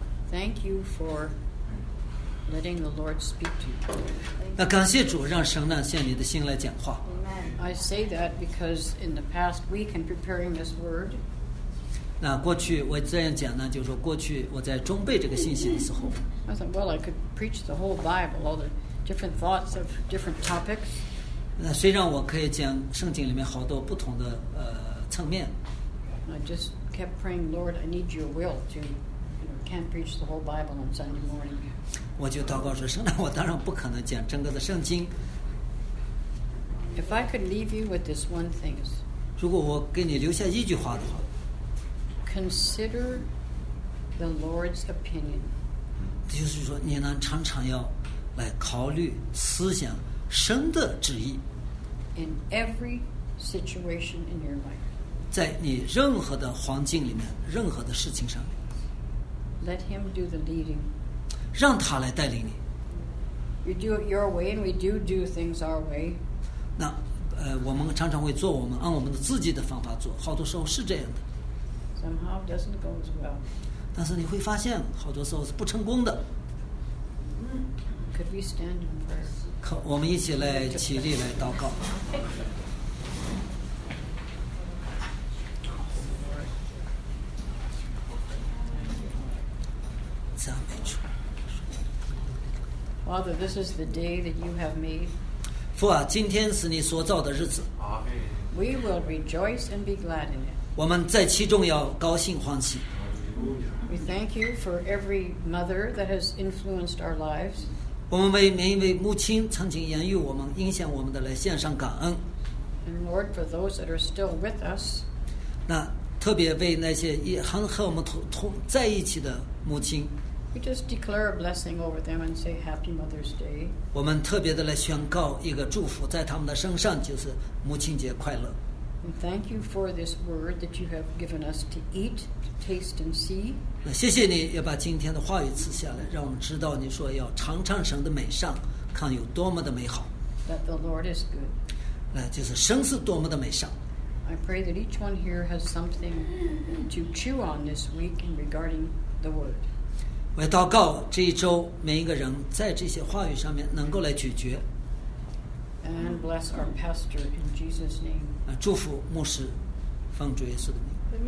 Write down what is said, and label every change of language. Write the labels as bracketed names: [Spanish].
[English] Thank you for letting the Lord speak to you. [Chinese] 那感谢主，让神呢向你的心来讲话。 [English] Amen. I say that because in the past week in preparing this word. [Chinese] 那过去我这样讲呢，就是说过去我在准备这个信息的时候。 [English] I thought, well, I could preach the whole Bible, all the different thoughts of different topics. [Chinese] 那虽然我可以讲圣经里面好多不同的层面。 [English] I just kept praying, Lord, I need Your will to, you know, can't preach the whole Bible on Sunday morning. [Chinese] 我就祷告说圣灵我当然不可能讲整个的圣经 [English] If I could leave you with this one thing, [Chinese] 如果我给你留下一句话的话 [English] Consider the Lord's opinion [Chinese] 就是说你呢常常要来考虑思想神的旨意 [English] In every situation in your life [Chinese] 在你任何的环境里面任何的事情上面 [English] Let him do the leading [Chinese] 让他来带领你。 [English] You do it your way, and we do things our way. [Chinese] 那我们常常会做我们按我们的自己的方法做，好多时候是这样的。 [English] Somehow it doesn't go as well. [Chinese] 但是你会发现，好多时候是不成功的。 [English] Could we stand in prayer? [Chinese] 可我们一起来起立来祷告。赞美主。 [English] Father, this is the day that you have made. [Chinese] 父啊，今天是你所造的日子。 [English] Amen. We will rejoice and be glad in it. [Chinese] 我们在其中要高兴欢喜。 [English] We thank you for every mother that has influenced our lives. [Chinese] 我们为每一位母亲曾经养育我们、影响我们的来献上感恩。 [English] And Lord, for those that are still with us. [Chinese] 那特别为那些也很和我们同在一起的母亲。 [English] We just declare a blessing over them and say Happy Mother's Day. [Chinese] 我们特别的来宣告一个祝福在他们的身上，就是母亲节快乐。 [English] And thank you for this word that you have given us to eat, to taste, and see. [Chinese] 谢谢你也把今天的话语赐下来，让我们知道你说要尝尝神的美善，看有多么的美好。 [English] That the Lord is good. [Chinese] 就是神是多么的美善。 [English] I pray that each one here has something to chew on this week in regarding the word. [Chinese] 我祷告这一周每一个人在这些话语上面能够来咀嚼。 [English] And bless our pastor in Jesus' name. [Chinese] 祝福牧师，奉主耶稣的名。